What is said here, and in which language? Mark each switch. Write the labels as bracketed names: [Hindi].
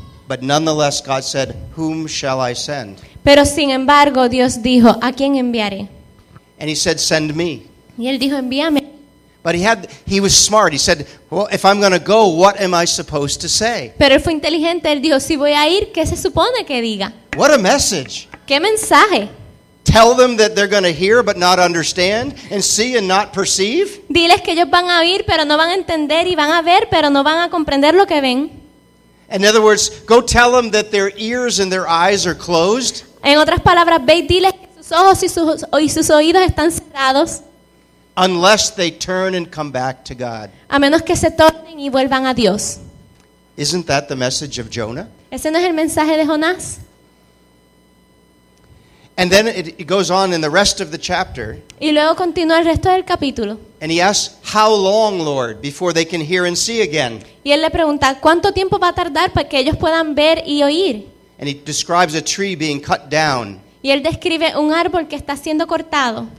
[English] But nonetheless, God said, "Whom shall I send?" [Spanish] Pero sin embargo, Dios dijo, "¿A quién enviaré?" [English] And he said, "Send me." [Spanish] Y él dijo, "Envíame." [English] But he was smart. He said, "Well, if I'm going to go, what am I supposed to say?" [Spanish] Pero él fue inteligente. Él dijo, "Si voy a ir, ¿qué se supone que diga?" [English] What a message! [Spanish] ¿Qué mensaje? [English] Tell them that they're going to hear but not understand and see and not perceive. [Spanish] Diles que ellos van a oír pero no van a entender y van a ver pero no van a comprender lo que ven. [English] In other words, go tell them that their ears and their eyes are closed. [Spanish] En otras palabras, ve y diles que sus ojos y sus oídos están cerrados. [English] Unless they turn and come back to God. [Spanish] A menos que se tornen y vuelvan a Dios. [English] Isn't that the message of Jonah? [Spanish] ¿Ese no es el mensaje de Jonás? [English] And then it goes on in the rest of the chapter. [Spanish] Y luego continúa el resto del capítulo. [English] And he asks, "How long, Lord, before they can hear and see again?" [Spanish] Y él le pregunta, ¿cuánto tiempo va a tardar para que ellos puedan ver y oír? [English] And he describes a tree being cut down. [Spanish] Y él describe un árbol que está siendo cortado.